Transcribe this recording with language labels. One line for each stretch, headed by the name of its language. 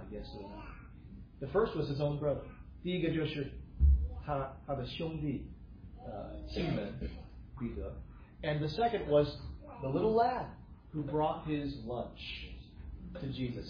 Chinese: 他带领别人带到耶稣那里。
English: The first was his own brother.
Chinese: 第一个就是他的兄弟西门彼得。
English: And the second was the little lad who brought his lunch to Jesus.